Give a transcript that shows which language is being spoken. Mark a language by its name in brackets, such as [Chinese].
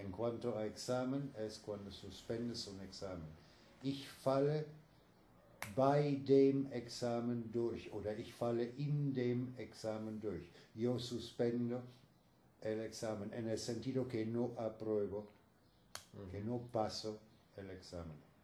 [Spanish] En cuanto a examen, es cuando suspendes un examen. [German] Ich falle bei dem Examen durch. Oder ich falle in dem Examen durch. [Spanish] Yo suspendo el examen. En el sentido que no apruebo, mhm, que no paso el examen.